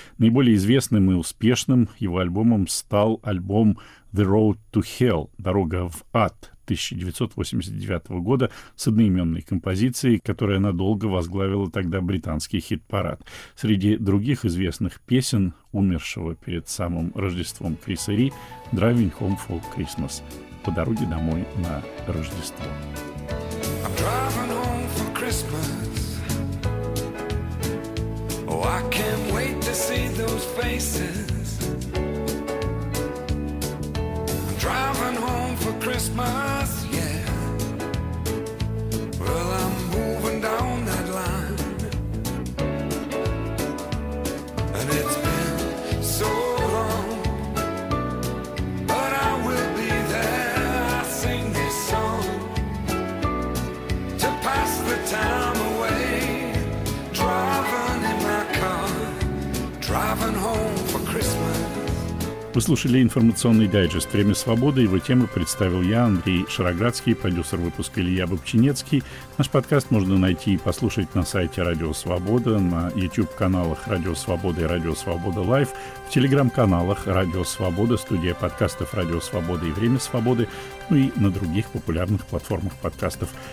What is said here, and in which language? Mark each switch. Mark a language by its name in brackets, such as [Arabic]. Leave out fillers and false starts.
[Russian] Наиболее известным и успешным его альбомом стал альбом «The Road to Hell» — «Дорога в ад» 1989 года с одноименной композицией, которая надолго возглавила тогда британский хит-парад. Среди других известных песен умершего перед самым Рождеством Криса Ри — «Driving Home for Christmas» — «По дороге домой на Рождество». [English] I'm driving home for Christmas. Oh, I can't wait to see those faces. Driving home for Christmas, yeah. Well, I'm moving down that line. And it's been so long, but I will be there. I sing this song to pass the time away. Driving in my car, driving home for Christmas. [Russian] Вы слушали информационный дайджест «Время свободы». Его темы представил я, Андрей Шароградский, продюсер выпуска Илья Бабчинецкий. Наш подкаст можно найти и послушать на сайте «Радио Свобода», на YouTube-каналах «Радио Свобода» и «Радио Свобода Лайв», в телеграм-каналах «Радио Свобода», студия подкастов «Радио Свобода» и «Время свободы», ну и на других популярных платформах подкастов.